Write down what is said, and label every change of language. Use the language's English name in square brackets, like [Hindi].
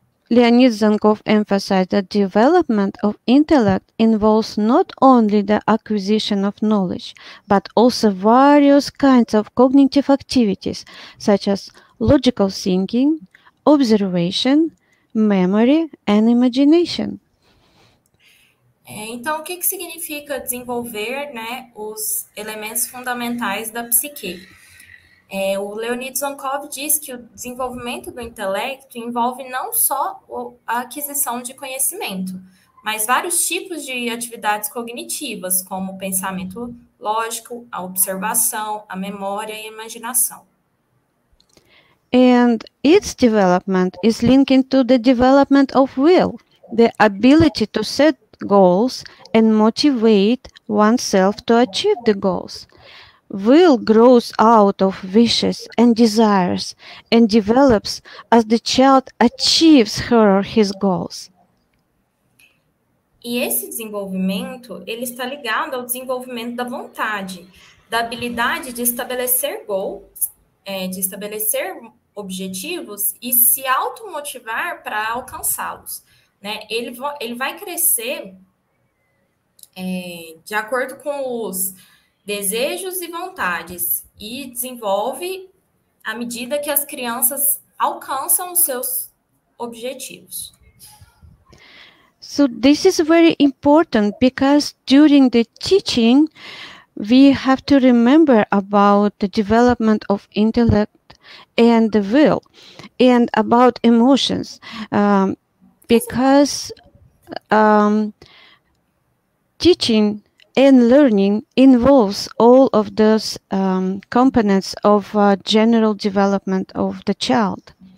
[English] Leonid Zenkov emphasized that development of intellect involves not only the acquisition of knowledge, but also various kinds of cognitive activities, such as logical thinking, observation, memory, and imagination. [Portuguese] É, então, o que, que significa desenvolver, né, os elementos fundamentais da psique? É, o Leonid Zonkov diz que o desenvolvimento do intelecto envolve não só a aquisição de conhecimento, mas vários tipos de atividades cognitivas, como o pensamento lógico, a observação, a memória e a imaginação. [English] And its development is linked to the development of will, the ability to set goals and motivate oneself to achieve the goals. Will grows out of wishes and desires and develops as the child achieves her or his goals. [Portuguese] E esse desenvolvimento, ele está ligado ao desenvolvimento da vontade, da habilidade de estabelecer goals, de estabelecer objetivos e se automotivar para alcançá-los, né? Ele vai crescer de acordo com os desejos e vontades e desenvolve à medida que as crianças alcançam os seus objetivos. [English] So this is very important because during the teaching we have to remember about the development of intellect and the will, and about emotions, because teaching and learning involves all of those components of general development of the child.